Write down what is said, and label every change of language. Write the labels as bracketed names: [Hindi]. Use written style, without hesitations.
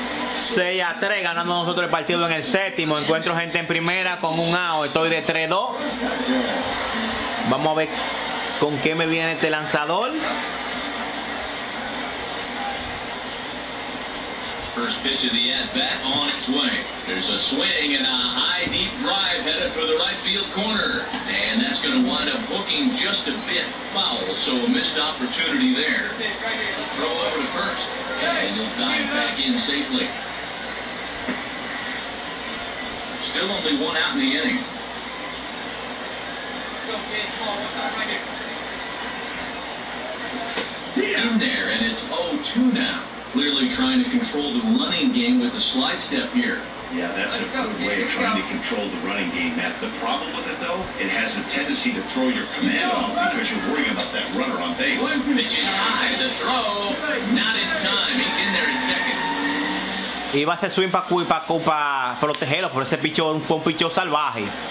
[Spanish] 6-3 ganando nosotros el partido en el séptimo. Encuentro gente en primera con un out. Estoy de 3-2. Vamos a ver con qué me viene este lanzador. [English] First pitch of the at-bat on its way. There's a swing and a high, deep drive headed for the right field corner. And that's going to wind up hooking just a bit foul, so a missed opportunity there. Throw over to first, and he'll dive back in safely. Still only one out in the inning. In there, and it's 0-2 now. Clearly trying to control the running game with the slide step here. Yeah, that's a good way of trying to control the running game, Matt. The problem with it, though, it has a tendency to throw your command off because you're worrying about that runner on base. Pitch is high, the throw, not in time. He's in there in second. [Spanish] Iba a hacer swing para protegerlo, pero ese picho fue un picho salvaje.